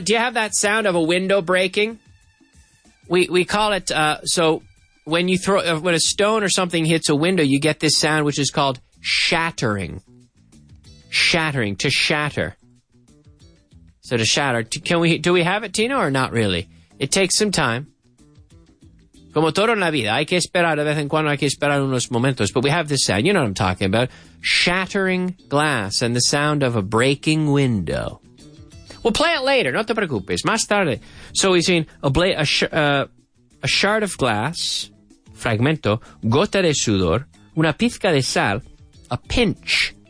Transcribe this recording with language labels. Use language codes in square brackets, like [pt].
[en] Do you have that sound of a window breaking? We call it, so when you throw, when a stone or something hits a window, you get this sound which is called shattering. Shattering, to shatter. So to shatter, do we have it, Tino, or not really? It takes some time. [es] Como todo en la vida, hay que esperar, de vez en cuando hay que esperar unos momentos. [en] But we have this sound, you know what I'm talking about. Shattering glass and the sound of a breaking window. We'll play it later, [es] no te preocupes, más tarde. [en] So we've seen a shard of glass, [es] fragmento, gota de sudor, una pizca de sal, [en] a pinch